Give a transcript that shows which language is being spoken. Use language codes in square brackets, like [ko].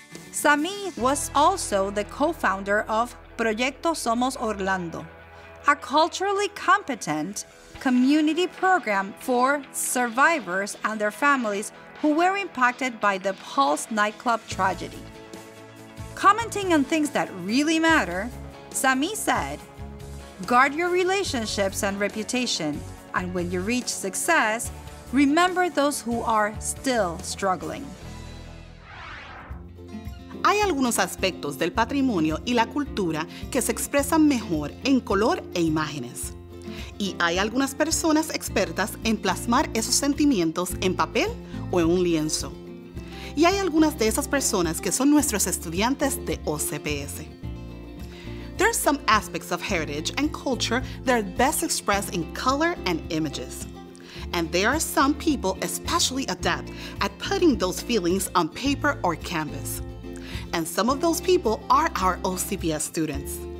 [en] Sammy was also the co-founder of Proyecto Somos Orlando, a culturally competent community program for survivors and their families who were impacted by the Pulse nightclub tragedy. Commenting on things that really matter, Sammy said, "Guard your relationships and reputation, and when you reach success, remember those who are still struggling." [es] Hay algunos aspectos del patrimonio y la cultura que se expresan mejor en color e imágenes. Y hay algunas personas expertas en plasmar esos sentimientos en papel o en un lienzo. Y hay algunas de esas personas que son nuestros estudiantes de OCPS. [en] There are some aspects of heritage and culture that are best expressed in color and images. And there are some people especially adept at putting those feelings on paper or canvas. And some of those people are our OCPS students.